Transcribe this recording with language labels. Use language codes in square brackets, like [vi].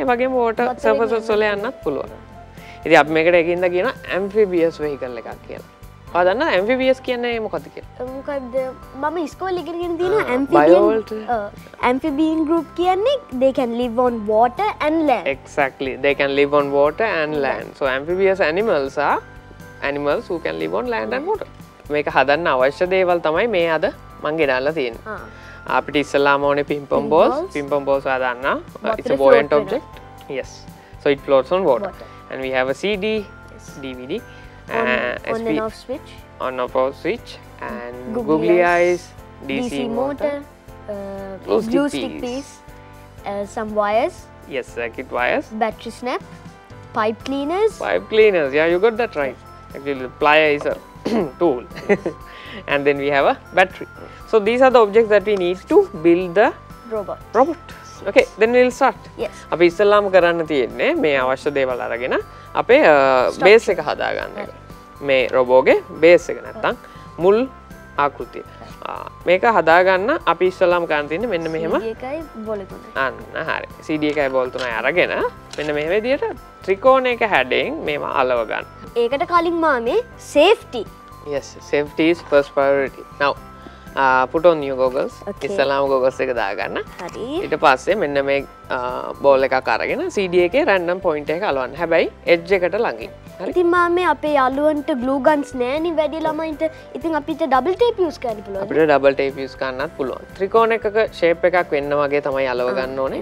[si] ඒ වගේම වෝටර් සර්ෆසස් වල යන්නත් පුළුවන්. ඉතින් අපි මේකට එකින්ද කියනවා ඇම්ෆිබියස් වෙහිකල් එකක් කියලා. ඔයා දන්නවද ඇම්ෆිබියස් කියන්නේ මොකක්ද කියලා? මොකක්ද මම ඉස්කෝලේ ඉගෙන ගෙන තියෙන ඇම්ෆිබියන් ඇම්ෆිබියන් ගෲප් කියන්නේ [en] they can live on water and land. Exactly. They can live on water and land. So amphibious animals are animals who can live on land and water. මේක හදන්න අවශ්‍ය දේවල් තමයි මේ අද මම ගෙනල්ලා තියෙන්නේ. [si] අපිට ඉස්සලාම ඕනේ පිම්පම් බෝල්ස්. පිම්පම් බෝල්ස් ඔයා දන්නා. [en] It's a buoyant object. Yes. So it floats on water. And we have a CD, yes. DVD, on and off switch. On off switch and googly eyes, DC motor, glue stick piece, some wires. Yes, circuit wires. Battery snap, pipe cleaners. Pipe cleaners. Yeah, you got that right. Actually, the plier is a tool. And then we have a battery. So these are the objects that we need to build the robot. Okay, then we'll start. Yes. [si] අපි ඉස්සෙල්ලාම කරන්න තියෙන්නේ මේ අවශ්‍ය දේවල් අරගෙන අපේ base එක හදාගන්න එක. මේ රොබෝගේ බේස් එක නැත්තම් මුල් ආකෘතිය. මේක හදාගන්න අපි ඉස්සෙල්ලාම කරන්න තියෙන්නේ මෙන්න මෙහෙම. CD එකයි බෝල් තුනයි. අන්න හරි. CD එකයි බෝල් තුනයි අරගෙන මෙන්න මේ විදියට ත්‍රිකෝණයක හැඩයෙන් මේව අලව ගන්න. ඒකට කලින් මාමේ safety. [en] Yes, safety is first priority. Now put on your goggles. Okay. [si] ඉස්සලාම goggles එක දාගන්න. හරි. ඊට පස්සේ මෙන්න මේ බෝල් එකක් අරගෙන CD එකේ random point එක අලවන්න. හැබැයි edge එකට ළඟින්. හරි. ඉතින් මාමේ අපේ යාළුවන්ට glue guns නැණි වැඩි ළමයින්ට. ඉතින් අපිට double tape use කරන්න පුළුවන්. අපිට double tape use කරන්නත් පුළුවන්. ත්‍රිකෝණ එකක shape එකක් වෙන්න වගේ තමයි අලව ගන්න ඕනේ.